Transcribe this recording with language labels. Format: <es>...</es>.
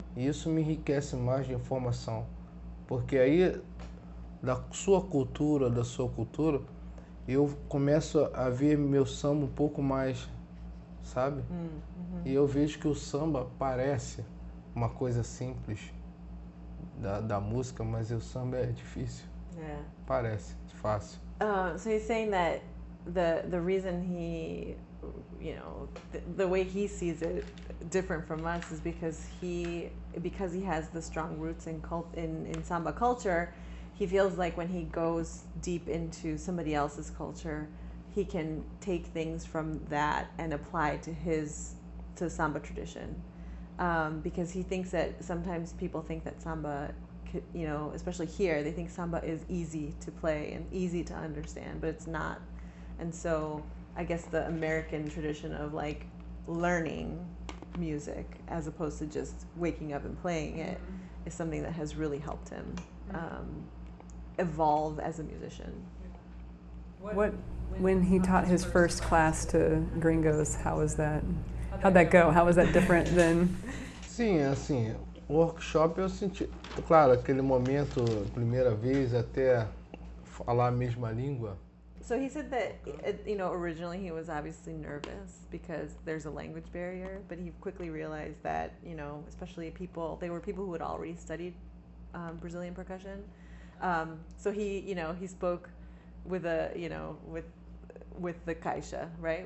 <pt>E isso me enriquece mais de informação. Porque aí, da sua cultura, da sua cultura, eu começo a ver meu samba um pouco mais, sabe? E eu vejo que o samba parece uma coisa simples da música, mas o samba é difícil.</pt> <en>Yeah.</en> <pt>Parece fácil.</pt> <en>So he's saying that the reason he, you know, the way he sees it different from us is because he has the strong roots in samba culture. He feels like when he goes deep into somebody else's culture, he can take things from that and apply to samba tradition. Because he thinks that sometimes people think that samba, you know, especially here, they think samba is easy to play and easy to understand, but it's not. And so I guess the American tradition of like learning music as opposed to just waking up and playing it is something that has really helped him evolve as a musician. What when he taught his first class to gringos, how was that? How'd that go? How was that different than...</en> <pt>Sim, assim, o workshop eu senti... Claro, aquele momento, primeira vez, até falar a mesma língua.</pt> <en>So he said that, you know, originally he was obviously nervous because there's a language barrier, but he quickly realized that, you know, especially people, they were people who had already studied Brazilian percussion. So he, you know, he spoke with a, you know, with the caixa, right?</en>